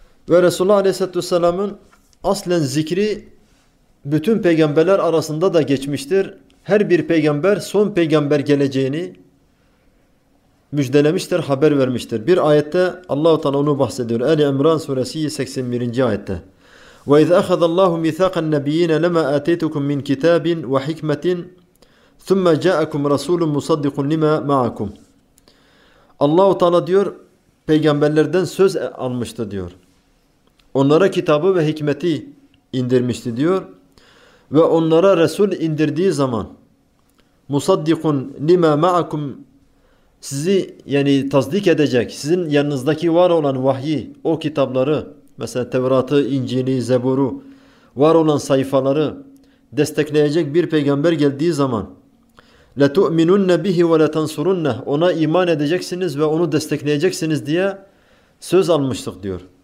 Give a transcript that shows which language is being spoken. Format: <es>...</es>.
<tr>Ve Resulullah Aleyhisselatü Vesselam'ın aslen zikri bütün peygamberler arasında da geçmiştir. Her bir peygamber son peygamber geleceğini müjdelemiştir, haber vermiştir. Bir ayette Allah-u Teala onu bahsediyor. Ali İmran suresi 81. ayette.</tr> <ar>وَاِذْ اَخَذَ اللّٰهُ مِثَاقَ النَّب۪ينَ لَمَا اَتَيْتُكُمْ مِنْ كِتَابٍ وَحِكْمَةٍ ثُمَّ جَاءَكُمْ رَسُولٌ مُصَدِّقٌ لِمَا مَعَكُمْ</ar> <tr>Allah-u Teala diyor, peygamberlerden söz almıştı diyor. Onlara kitabı ve hikmeti indirmişti diyor. Ve onlara Resul indirdiği zaman</tr> <ar>مُصَدِّقٌ لِمَا مَعَكُمْ</ar> <tr>sizi yani tasdik edecek, sizin yanınızdaki var olan vahyi, o kitapları, mesela Tevrat'ı, İncil'i, Zebur'u, var olan sayfaları destekleyecek bir peygamber geldiği zaman</tr> <ar>لَتُؤْمِنُنَّ بِهِ وَلَتَنْصُرُنَّ</ar> <tr>ona iman edeceksiniz ve onu destekleyeceksiniz diye söz almıştık diyor.</tr>